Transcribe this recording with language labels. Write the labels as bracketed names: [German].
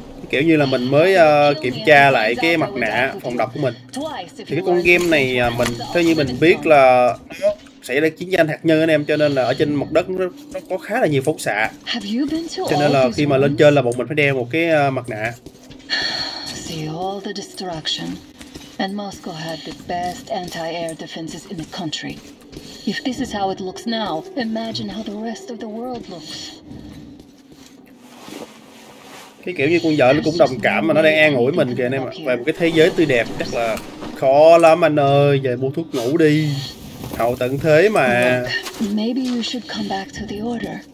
[Vietnamese] Kiểu như là mình mới kiểm tra lại cái mặt nạ phòng độc của mình. Thì cái con game này mình theo như mình biết là xảy ra chiến tranh hạt nhân anh em, cho nên là ở trên mặt đất nó có khá là nhiều phóng xạ. Cho nên là khi mà lên trên là bọn mình phải đeo một cái mặt nạ. [English] See all the destruction. And Moscow had the best anti-air defenses in the country. If this is how it looks now, imagine how the rest of the world looks. [Vietnamese] Cái kiểu như con vợ nó cũng đồng cảm mà nó đang an ủi mình kìa anh em ạ. Về một cái thế giới tươi đẹp chắc là khó lắm anh ơi, về mua thuốc ngủ đi. Hậu tận thế mà. [English] Maybe you should come back to the order.